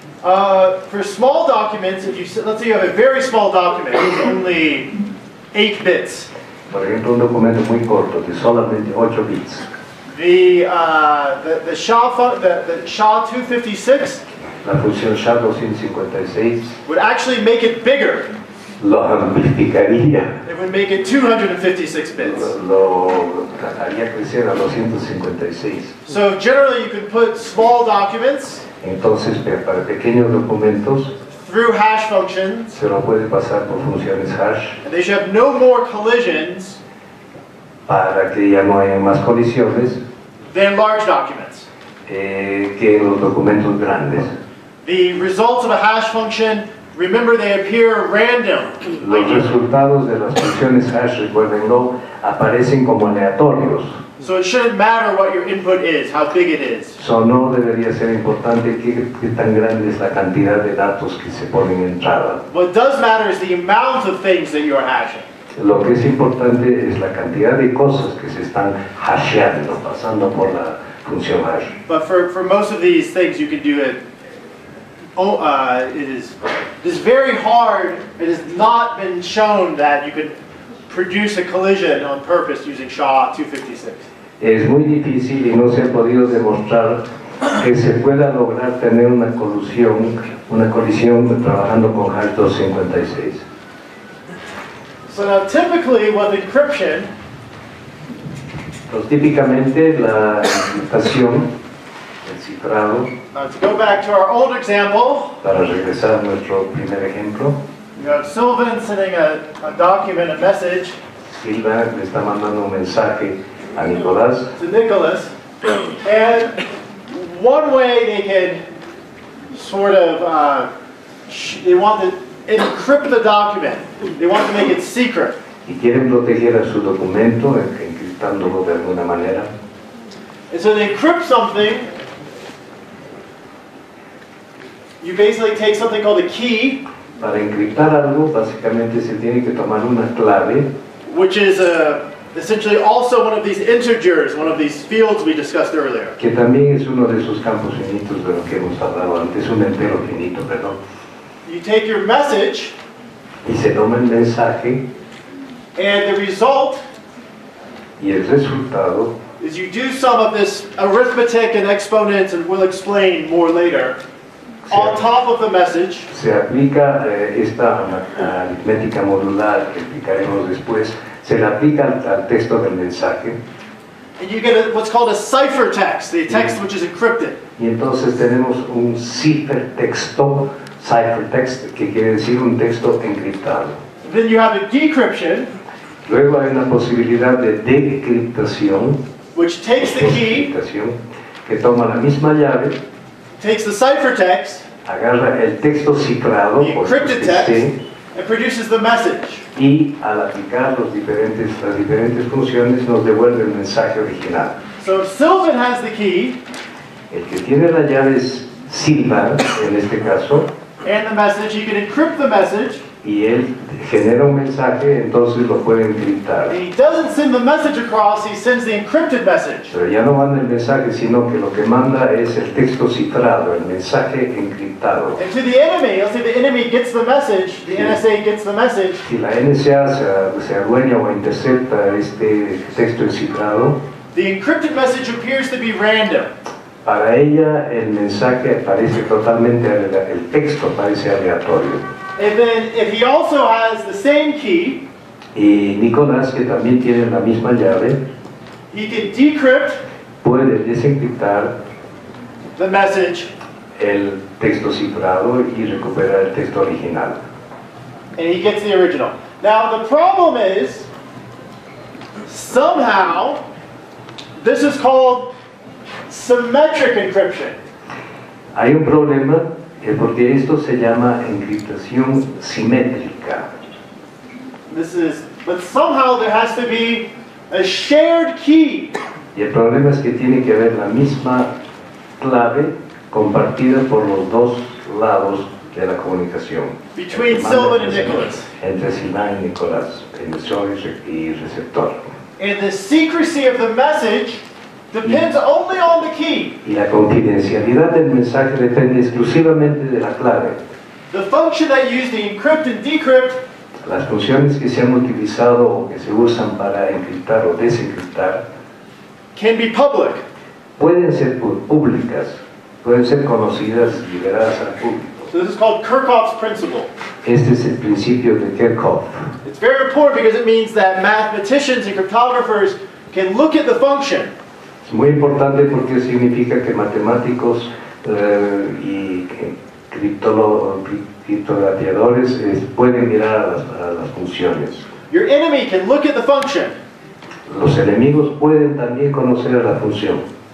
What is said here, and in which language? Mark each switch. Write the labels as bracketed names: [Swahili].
[English] For small documents, if you let's say you have a very small document, it's only 8 bits. [Spanish] Por ejemplo, un documento muy corto de solamente 8 bits. [English] The SHA-256. [Spanish] La función SHA-256. [English] Would actually make it bigger. [Spanish] Lo amplificaría. [English] It would make it 256 bits. [Spanish] Lo haría crecer a 256. [English] So generally, you can put small documents. [Spanish] Entonces, para pequeños documentos. [English] Through hash functions. [Spanish] Se lo puede pasar por funciones hash. [English] And they should have no more collisions. [Spanish] Para que ya no haya más colisiones. [English] Than large documents. [Spanish] Que los documentos grandes. [English] The results of a hash function. Remember, they appear random. [Spanish] Los resultados de las funciones hash, recuérdenlo, aparecen como aleatorios. [English] So it shouldn't matter what your input is, how big it is. [Spanish] So no debería ser importante qué tan grande es la cantidad de datos que se ponen en entrada. [English] What does matter is the amount of things that you're hashing. [Spanish] Lo que es importante es la cantidad de cosas que se están hasheando, pasando por la función hash. [English] But for most of these things, you can do it. It is very hard. It has not been shown that you could produce a collision on purpose using SHA-256. [Spanish] Es muy difícil y no se ha podido demostrar que se pueda lograr tener una colisión trabajando con SHA-256. [English] So now, typically, with encryption. [Spanish] Pues típicamente la encriptación. Now, [English] to go back to our old example, [Spanish] para regresar a nuestro primer ejemplo, [English] you have Sylvan sending a document, a message. [Spanish] Silva le está mandando un mensaje a Nicolás. [English] To Nicholas. And one way they can sort of, they want to encrypt the document. They want to make it secret. [Spanish] Y quieren proteger a su documento encriptándolo de alguna manera. [English] And so they encrypt something. You basically take something called a key. [Spanish] Para encriptar algo, básicamente se tiene que tomar una clave. [English] Which is essentially also one of these integers, one of these fields we discussed earlier. [Spanish] Que también es uno de esos campos finitos de los que hemos hablado antes, un entero finito, perdón. [English] You take your message. [Spanish] Y se toma el mensaje. [English] And the result. [Spanish] Y el resultado. [English] Is you do some of this arithmetic and exponents, and we'll explain more later. On top of the message. [Spanish] Se aplica esta aritmética modular que explicaremos después. Se le aplica al texto del mensaje. [English] And you get what's called a cipher text, the text which is encrypted. [Spanish] Y entonces tenemos un cipher text, que quiere decir un texto encriptado. [English] Then you have a decryption. [Spanish] Luego hay una posibilidad de decriptación. [English] Which takes the key. [Spanish] Que toma la misma llave. [English] Takes the cipher text, [Spanish] agarra el texto cifrado, [English] the encrypted text, and produces the message. [Spanish] Y al aplicar las diferentes funciones nos devuelve el mensaje original. [English] So if Sylvan has the key, [Spanish] el que tiene la llave es Silva en este caso, [English] and the message, he can encrypt the message. [Spanish] Y él genera un mensaje, entonces lo puede encriptar. [English] And he doesn't send the message across, he sends the encrypted message. [Spanish] Pero ya no manda el mensaje, sino que lo que manda es el texto cifrado, el mensaje encriptado. [English] And to the enemy, let's say the enemy gets the message, the NSA gets the message. [Spanish] Si la NSA se adueña o intercepta este texto cifrado, [English] the encrypted message appears to be random. [Spanish] Para ella, el mensaje parece totalmente, el texto parece aleatorio. [English] And then, if he also has the same key, [Spanish] y Nicolás, que también tiene la misma llave, [English] he can decrypt, [Spanish] puede desencriptar [English] the message, [Spanish] el texto cifrado y recuperar el texto original. [English] And he gets the original. Now, the problem is, somehow, this is called symmetric encryption. [Spanish] Hay un problema. Porque esto se llama encriptación simétrica. [English] But somehow there has to be a shared key. [Spanish] Y el problema es que tiene que haber la misma clave compartida por los dos lados de la comunicación. [English] Between Sylvan and Nicholas. [Spanish] Entre Sylvan y Nicolás, emisor y receptor. [English] And the secrecy of the message. depends only on the key. [Spanish] Y la confidencialidad del mensaje depende exclusivamente de la clave. [English] The function that you use to encrypt and decrypt. [Spanish] Las funciones que se han utilizado o que se usan para encriptar o desencriptar. [English] Can be public. [Spanish] Pueden ser públicas. Pueden ser conocidas y liberadas al público. [English] So this is called Kirchhoff's principle. [Spanish] Este es el principio de Kirchhoff. [English] It's very important because it means that mathematicians and cryptographers can look at the function. [Spanish] Es muy importante porque significa que matemáticos y que criptografiadores pueden mirar a las funciones. [English] Your enemy can look at the function. [Spanish] Los enemigos pueden también conocer a la función.